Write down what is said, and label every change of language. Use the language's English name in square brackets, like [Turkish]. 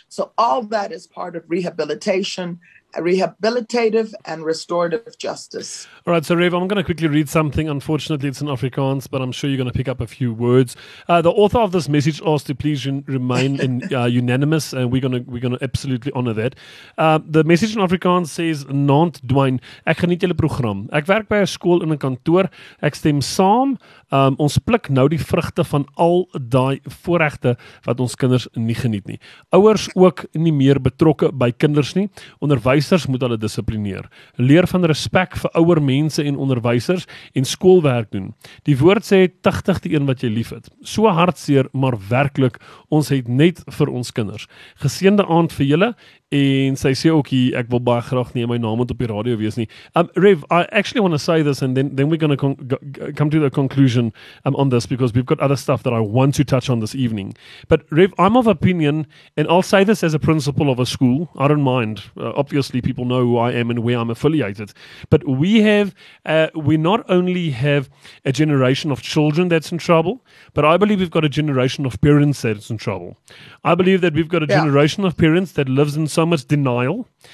[English] So all that is part of rehabilitation. Rehabilitative and restorative justice. All right, so Rev, I'm going to quickly read something. Unfortunately, it's in Afrikaans, but I'm sure you're going to pick up a few words. The author of this message asked to please remain in, unanimous, and we're going to absolutely honor that. The message in Afrikaans says, "Nant Dwayne, [Afrikaans] ek geniet julle program. Ek werk by 'n skool in 'n kantoor. Ek stem saam. Ons pluk nou die vrugte van al daai voorregte wat ons kinders nie geniet nie. Ouers ook nie meer betrokke by kinders nie. Onderwysers moet hulle dissiplineer. Leer van respek vir ouer mense en onderwysers en skoolwerk doen. Die woord sê tigtig die een wat jy lief het. So hartseer, maar werklik, ons het net vir ons kinders. Geseënde aand vir julle." En sy sê ook hier, ek wil baie graag nie my naam moet op die radio wees nie. [English] Rev, I actually want to say this and then we're going to come to the conclusion on this, because we've got other stuff that I want to touch on this evening. But Rev, I'm of opinion, and I'll say this as a principal of a school, I don't mind. Obviously, people know who I am and where I'm affiliated. But we not only have a generation of children that's in trouble, but I believe we've got a generation of parents that's in trouble. I believe that we've got a generation of parents that lives in so much denial.